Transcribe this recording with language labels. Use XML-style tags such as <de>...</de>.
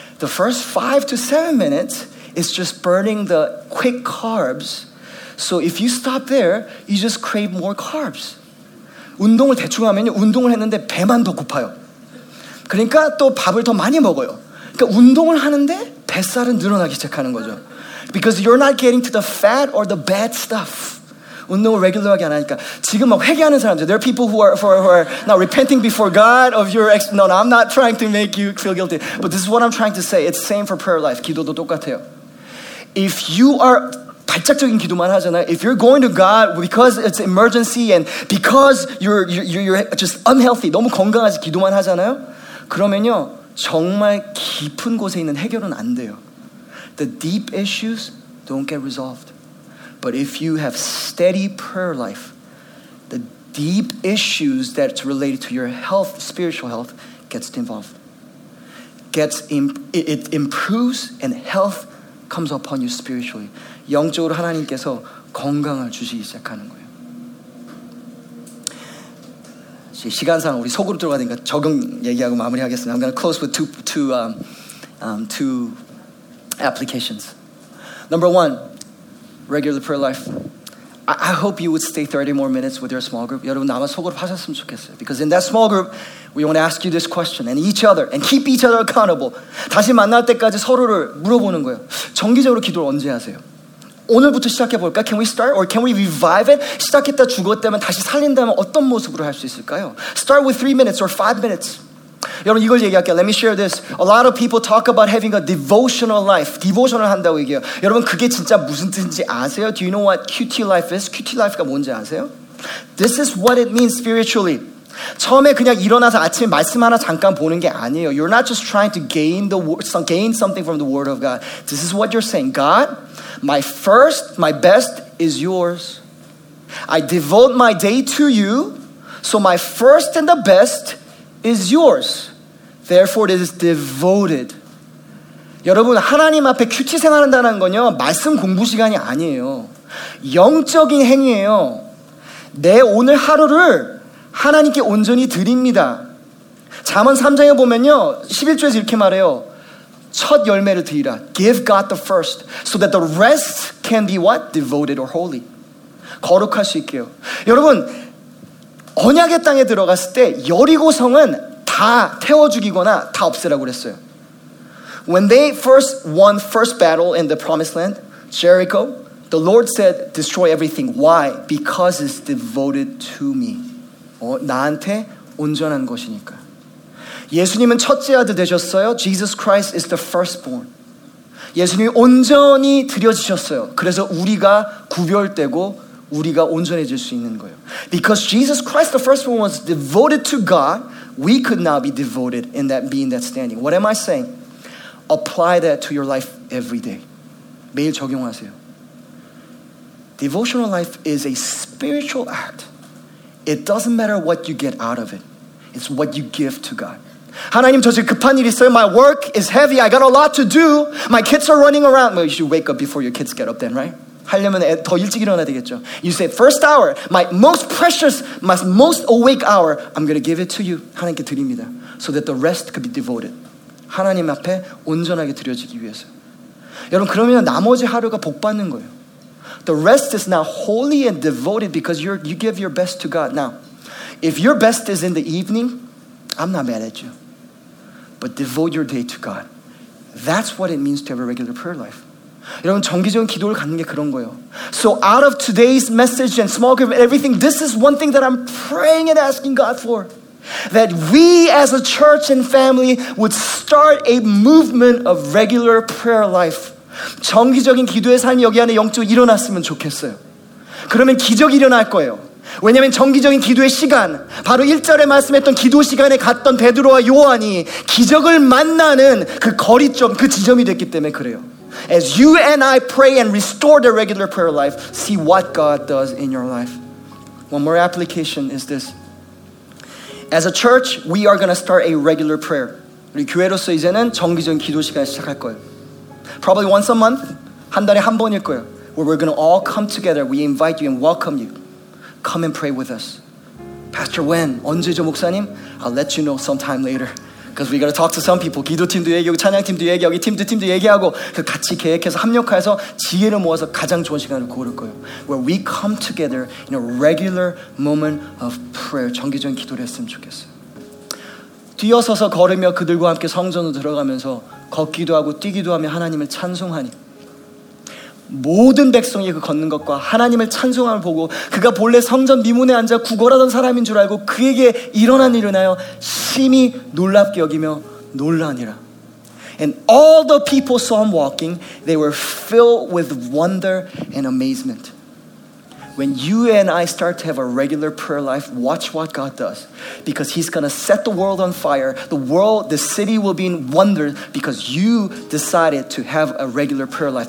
<en>The first 5 to 7 minutes... It's just burning the quick carbs So if you stop there, you just crave more carbs.</en> <ko>운동을 대충 하면요. 운동을 했는데 배만 더 고파요. 그러니까 또 밥을 더 많이 먹어요. 그러니까 운동을 하는데 뱃살은 늘어나기 시작하는 거죠.</ko> <en>Because you're not getting to the fat or the bad stuff.</en> <ko>운동을 regular하게 안 하니까 지금 막 회개하는 사람들</ko> <en>There are people who are now repenting before God of your ex- No, I'm not trying to make you feel guilty. But this is what I'm trying to say. It's same for prayer life.</en> <ko>기도도 똑같아요.</ko> <en>If you are</en> <ko>발작적인 기도만 하잖아요.</ko> <en>If you're going to God because it's emergency and because you're just unhealthy,</en> <ko>너무 건강하지 기도만 하잖아요. 그러면요, 정말 깊은 곳에 있는 해결은 안 돼요.</ko> <en>The deep issues don't get resolved. But if you have steady prayer life, the deep issues that's related to your health, spiritual health, gets involved. It improves and health comes upon you spiritually.</en> <ko>영적으로 하나님께서 건강을 주시기 시작하는 거예요. 시간상 우리 소그룹 들어가야 되니까 적용 얘기하고 마무리하겠습니다.</ko> <en>I'm going to close with two applications. Number one, regular prayer life. I hope you would stay 30 more minutes with your small group.</en> <ko>여러분 남아 소그룹 하셨으면 좋겠어요.</ko> <en>Because in that small group, we want to ask you this question and each other and keep each other accountable.</en> <ko>다시 만날 때까지 서로를 물어보는 거예요. 정기적으로 기도를 언제 하세요? 오늘부터 시작해볼까?</ko> <en>Can we start or can we revive it?</en> <ko>시작했다 죽었다면 다시 살린다면 어떤 모습으로 할 수 있을까요?</ko> <en>Start with 3 minutes or 5 minutes.</en> <ko>여러분 이걸 얘기할게요.</ko> <en>Let me share this. A lot of people talk about having a devotional life.</en> <ko>Devotion을 한다고 얘기해요. 여러분 그게 진짜 무슨 뜻인지 아세요?</ko> <en>Do you know what QT life is?</en> <ko>QT life가 뭔지 아세요?</ko> <en>This is what it means spiritually.</en> <ko>처음에 그냥 일어나서 아침에 말씀 하나 잠깐 보는 게 아니에요.</ko> <en>You're not just trying to gain something from the word of God. This is what you're saying. God, my first, my best is yours. I devote my day to you, so my first and the best is yours. Therefore, it is devoted.</en> <ko>여러분, 하나님 앞에 큐티 생활한다는 건요, 말씀 공부 시간이 아니에요. 영적인 행위예요. 내 오늘 하루를 하나님께 온전히 드립니다. 잠언 3장에 보면요, 11조에서 이렇게 말해요. 첫 열매를 드리라.</ko> <en>Give God the first, so that the rest can be what? Devoted or holy.</en> <ko>거룩할 수 있게요. 여러분, 언약의 땅에 들어갔을 때 여리고 성은 다 태워 죽이거나 다 없애라고 그랬어요.</ko> <en>When they first won first battle in the promised land, Jericho, the Lord said, destroy everything. Why? Because it's devoted to me.</en> <ko>나한테 온전한 것이니까. 예수님은 첫째 아들 되셨어요.</ko> <en>Jesus Christ is the firstborn.</en> <ko>예수님이 온전히 드려지셨어요. 그래서 우리가 구별되고 우리가 온전해질 수 있는 거예요.</ko> <en>Because Jesus Christ, the firstborn, was devoted to God, we could now be devoted in that being that standing. What am I saying? Apply that to your life every day.</en> <ko>매일 적용하세요.</ko> <en>Devotional life is a spiritual act. It doesn't matter what you get out of it. It's what you give to God.</en> <ko>하나님 저 지금 급한 일이 있어요.</ko> <en>My work is heavy. I got a lot to do. My kids are running around. Well, you should wake up before your kids get up then, right?</en> <ko>하려면 더 일찍 일어나야 되겠죠.</ko> <en>You say, first hour, my most precious, my most awake hour, I'm going to give it to you.</en> <ko>하나님께 드립니다.</ko> <en>So that the rest could be devoted.</en> <ko>하나님 앞에 온전하게 드려지기 위해서. 여러분 그러면 나머지 하루가 복받는 거예요.</ko> <en>The rest is now holy and devoted because you give your best to God. Now, if your best is in the evening, I'm not mad at you. But devote your day to God. That's what it means to have a regular prayer life.</en> <ko>여러분 정기적인 기도를 갖는 게 그런 거예요.</ko> <en>So out of today's message and small group and everything, this is one thing that I'm praying and asking God for. That we as a church and family would start a movement of regular prayer life.</en> <ko>정기적인 기도의 삶이 여기 안에 영적으로 일어났으면 좋겠어요. 그러면 기적이 일어날 거예요. 왜냐하면 정기적인 기도의 시간, 바로 1절에 말씀했던 기도 시간에 갔던 베드로와 요한이 기적을 만나는 그 거리점, 그 지점이 됐기 때문에 그래요.</ko> <en>As you and I pray and restore the regular prayer life, see what God does in your life. One more application is this. As a church, we are going to start a regular prayer.</en> <ko>우리 교회로서 이제는 정기적인 기도 시간을 시작할 거예요.</ko> <en>Probably once a month,</en> <ko>한 달에 한 번일 거예요.</ko> <en>Where we're going to all come together, we invite you and welcome you. Come and pray with us. Pastor, when?</en> <ko>언제죠, 목사님?</ko> <en>I'll let you know sometime later. Because we got to talk to some people.</en> <ko>기도팀도 얘기하고 찬양팀도 얘기하고 팀도 얘기하고 같이 계획해서 합력해서 지혜를 모아서 가장 좋은 시간을 고를 거예요.</ko> <en>Where we come together in a regular moment of prayer.</en> <ko>정기적인 기도를 했으면 좋겠어요. 뛰어서서 걸으며 그들과 함께 성전으로 들어가면서 걷기도 하고 뛰기도 하며 하나님을 찬송하니 모든 백성이 그 걷는 것과 하나님을 찬송함을 보고 그가 본래 성전 미문에 앉아 구걸하던 사람인 줄 알고 그에게 일어난 일을 하여 심히 놀랍게 여기며 놀라니라.</ko> <en>And all the people saw him walking, they were filled with wonder and amazement. When you and I start to have a regular prayer life, watch what God does. Because he's going to set the world on fire. The world, the city will be in wonder because you decided to have a regular prayer life.</en>